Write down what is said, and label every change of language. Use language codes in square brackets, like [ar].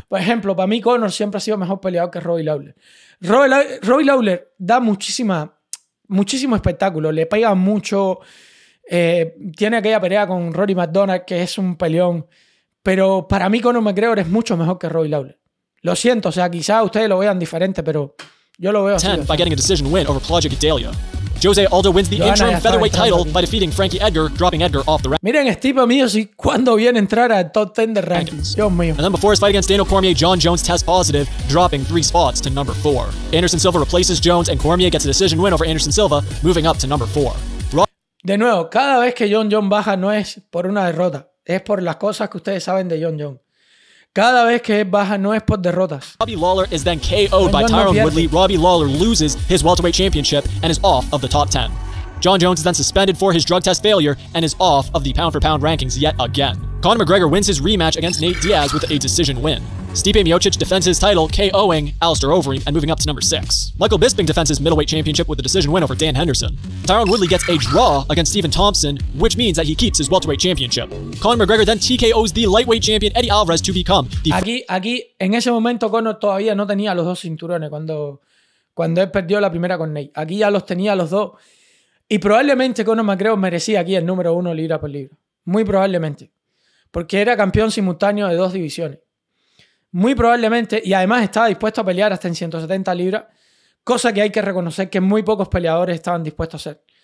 [es] Por ejemplo, para mí Conor siempre ha sido mejor peleador que Robbie Lawler. Robbie Lawler da muchísimo espectáculo, le pega mucho, tiene aquella pelea con Rory McDonald que es un peleón, pero para mí Conor McGregor es mucho mejor que Robbie Lawler. Lo siento, o sea, quizá ustedes lo vean diferente, pero yo lo veo así. [en] 10 by getting a decision win over Claudio Gadelha. Jose Aldo wins the Joana interim featherweight title aquí by defeating Frankie Edgar, dropping Edgar off the rank. [es] Miren, Stipe Miocic, ¿cuándo viene a entrar al top 10 de rankings? Dios mío. [en] And then before his fight against Daniel Cormier, John Jones tests positive, dropping 3 spots to number 4. Anderson Silva replaces Jones, and Cormier gets a decision win over Anderson Silva, moving up to number 4. [es] De nuevo, cada vez que John Jones baja no es por una derrota, es por las cosas que ustedes saben de John Jones. Cada vez que baja no es por derrotas. [en] Robbie Lawler is then KO'd by Tyron Woodley. Robbie Lawler loses his welterweight championship and is off of the top 10. John Jones is then suspended for his drug test failure and is off of the pound-for-pound rankings yet again. Conor McGregor wins his rematch against Nate Diaz with a decision win. Stipe Miocic defends his title, KOing Alistair Overeem and moving up to number 6. Michael Bisping defends his middleweight championship with a decision win over Dan Henderson. Tyron Woodley gets a draw against Stephen Thompson, which means that he keeps his welterweight championship. Conor McGregor then TKOs the lightweight champion Eddie Alvarez to become the. [es] Aquí, en ese momento Conor todavía no tenía los dos cinturones cuando él perdió la primera con Nate. Aquí ya los tenía los dos. Y probablemente Conor McGregor merecía aquí el número 1 libra por libra. Muy probablemente. Porque era campeón simultáneo de dos divisiones. Muy probablemente, y además estaba dispuesto a pelear hasta en 170 libras, cosa que hay que reconocer que muy pocos peleadores estaban dispuestos a hacer.